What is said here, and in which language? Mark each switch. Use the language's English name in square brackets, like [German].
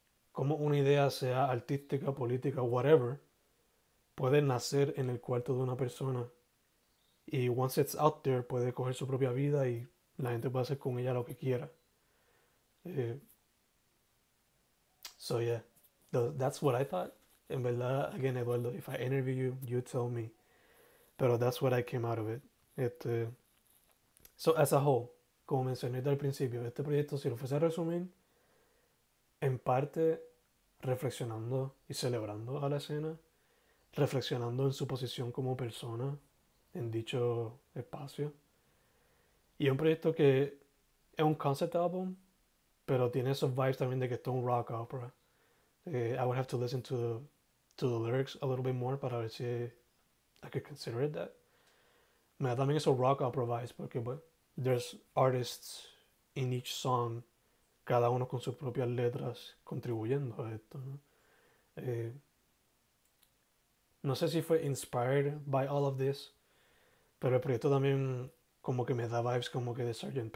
[Spanish] Como una idea, sea artística, política, whatever, puede nacer en el cuarto de una persona y [English] once it's out there [Spanish] puede coger su propia vida y la gente puede hacer con ella lo que quiera. [English] So yeah, that's what I thought. [Spanish] En verdad, [English] again, Eduardo, if I interview you, you tell me. [Spanish] Pero [English] that's what I came out of it. So as a whole, [Spanish] como mencioné desde el principio, este proyecto, si lo fuese a resumir, en parte reflexionando y celebrando a la escena, reflexionando en su posición como persona en dicho espacio. Y es un proyecto que es un concept album, pero tiene esos vibes también de que es un rock opera. [English] I would have to listen to the lyrics a little bit more [Spanish] para ver si [English] I could consider it that. [Spanish] Me da también esos rock opera vibes porque, bueno, [English] there's artists in each song, [Spanish] cada uno con sus propias letras contribuyendo a esto, ¿no? No sé si fue [English] inspired by all of this, [Spanish] pero el proyecto también como que me da vibes como que de Sgt.